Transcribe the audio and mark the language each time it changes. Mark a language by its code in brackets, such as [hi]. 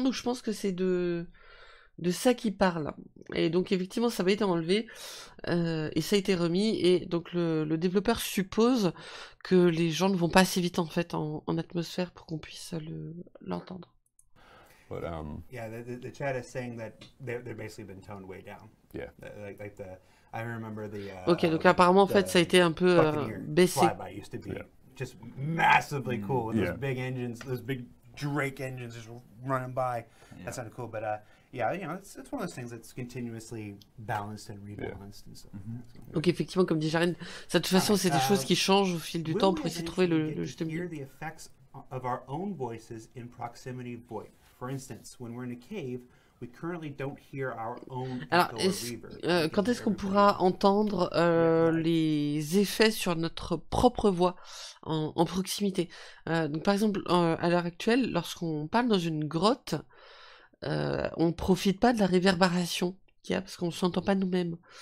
[fr] Donc je pense que c'est de ça qui parle, et donc effectivement ça avait été enlevé et ça a été remis, et donc le développeur suppose que les gens ne vont pas assez vite en fait en atmosphère pour qu'on puisse l'entendre. [en] But yeah, the chat is saying that they're basically been toned way down. Yeah, like the I remember the [fr] OK, donc apparemment en fait ça a été un peu baissé. [en] Flyby used to be just massively cool with those big engines, those big Drake engines just running by. That sounded cool, but yeah, you know, it's one of those things that's continuously balanced and rebalanced and stuff. Mm-hmm. [fr] Okay, effectivement, comme dit Jarine, ça de toute façon, c'est des choses qui changent au fil du temps pour essayer de trouver le juste milieu. [en] We hear the effects of our own voices in proximity void. For instance, when we're in a cave, we currently don't hear our own echo or reverb. [fr] Quand est-ce qu'on pourra entendre les effets sur notre propre voix en proximité? Donc, par exemple, à l'heure actuelle, lorsqu'on parle dans une grotte, on ne profite pas de la réverbération qu'il y a, parce qu'on ne s'entend pas nous-mêmes.